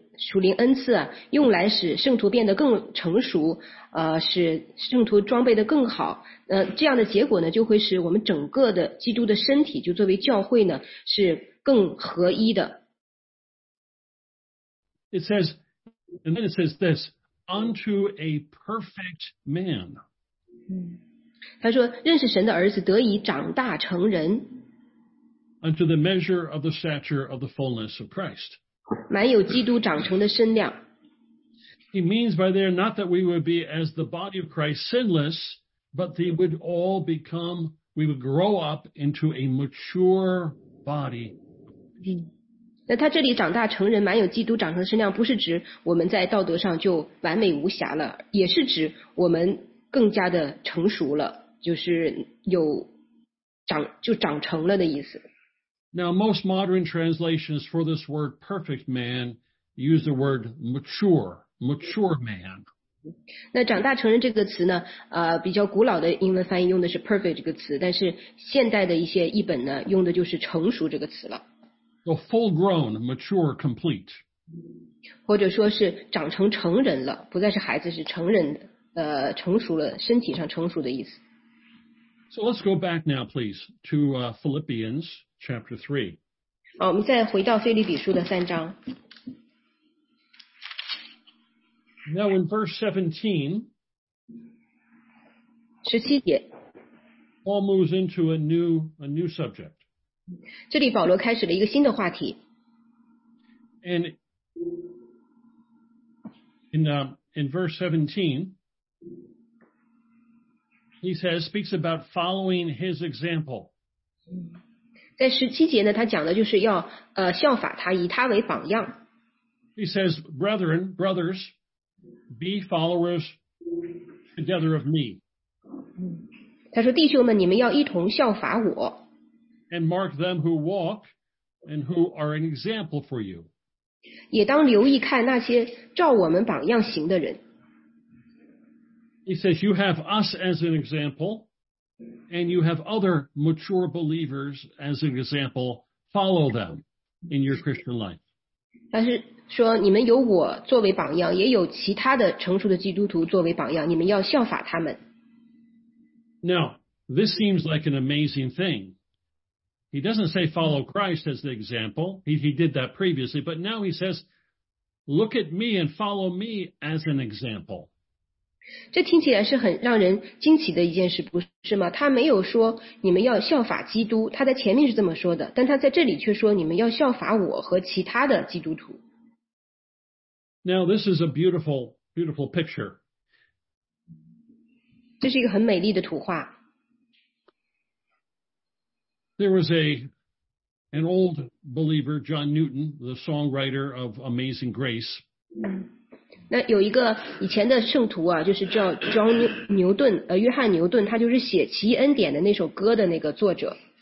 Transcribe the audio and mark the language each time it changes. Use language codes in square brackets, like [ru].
[zh] 属灵恩赐啊，用来使圣徒变得更成熟，使圣徒装备得更好。这样的结果呢，就会使我们整个的基督的身体，就作为教会呢，是更合一的。 [en] It says, and then it says this, unto a perfect man. [zh] 他说，认识神的儿子得以长大成人。 [en] Unto the measure of the stature of the fullness of Christ. [zh] 满有基督长成的身量。 [en] He means by there not that we would be as the body of Christ sinless, but they would all become, we would grow up into a mature body. [zh] 那他这里长大成人满有基督长成的身量，不是指我们在道德上就完美无瑕了，也是指我们更加的成熟了，就是有长，就长成了的意思。 [en] Now, most modern translations for this word perfect man use the word mature, mature man. [zh] 那长大成人这个词呢，比较古老的英文翻译用的是 perfect 这个词，但是现代的一些译本呢，用的就是成熟这个词了。 [en] So full grown, mature, complete. [zh] 或者说是长成成人了，不再是孩子，是成人，成熟了，身体上成熟的意思。 [en] So let's go back now, please, to Philippians chapter 3. [zh] 好，我们再回到腓立比书的三章。 [en] Now in verse 17, [zh] 17节 [en] Paul moves into a new subject. [zh] 这里保罗开始了一个新的话题。 [en] And in verse 17,He says, speaks about following his example. [zh] 在十七节呢，他讲的就是要效法他，以他为榜样。 [en] He says, brethren, brothers, be followers together of me. [zh] 他说，弟兄们，你们要一同效法我。 [en] And mark them who walk and who are an example for you. [zh] 也当留意看那些照我们榜样行的人。 [en] He says, you have us as an example, and you have other mature believers as an example. Follow them in your Christian life. [zh] 他是说你们有我作为榜样，也有其他的成熟的基督徒作为榜样，你们要效法他们。 [en] Now, this seems like an amazing thing. He doesn't say follow Christ as the example. He did that previously, but now he says, look at me and follow me as an example. [zh] 这听起来是很让人惊奇的一件事，不是吗？他没有说你们要效法基督，他在前面是这么说的，但他在这里却说你们要效法我和其他的基督徒。 [en] Now this is a beautiful, beautiful picture. [zh] 这是一个很美丽的图画。 [en] There was an old believer, John Newton, the songwriter of Amazing Grace. [zh] 那有一个以前的圣徒啊，就是叫 John 牛顿，约翰牛顿，他就是写《奇异恩典》的那首歌的那个作者。